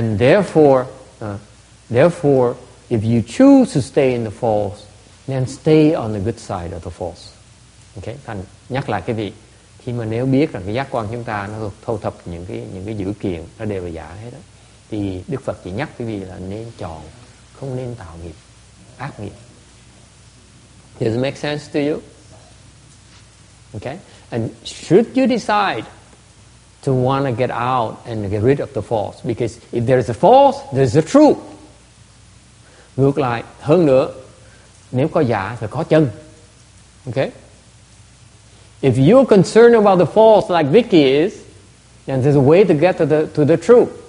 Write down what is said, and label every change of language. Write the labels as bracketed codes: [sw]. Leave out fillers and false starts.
[en] And therefore if you choose to stay in the false, then stay on the good side of the false. [vi] Okay, thành nhắc lại cái vị, khi mà nếu biết rằng cái giác quan chúng ta nó thâu thập những cái dữ kiện nó đều là giả hết đó, thì Đức Phật chỉ nhắc cái vị là nên chọn, không nên tạo nghiệp ác nghiệp. [en] Does it make sense to you? Okay, and should you decide to want to get out and get rid of the false, because if there is a false, there is a truth. [vi] Ngược lại, hơn nữa, nếu có giả thì có chân. [en] Okay? If you're concerned about the false like Vicky is, then there's a way to get to the truth.